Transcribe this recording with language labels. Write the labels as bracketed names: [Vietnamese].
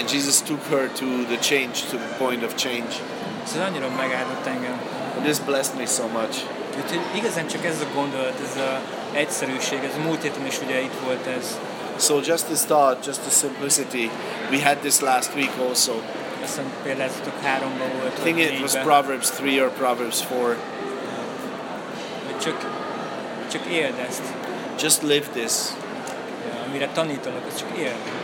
[English] And Jesus took her to the change, to the point of change. [Hungarian] Ez annyira megáldott engem. [English] This blessed me so much. [Hungarian] Úgyhogy igazán csak ez a gondolat, ez a egyszerűség, ez a múlt héten is ugye itt volt ez. [English] So just this thought, just the simplicity, we had this last week also. [Hungarian] Aztán példázatok 3-ban volt. [English] I think it was Proverbs 3 or Proverbs 4. [Hungarian] Hogy csak éld ezt. [English] Just live this. [Hungarian] Amire tanítanak, csak ilyen.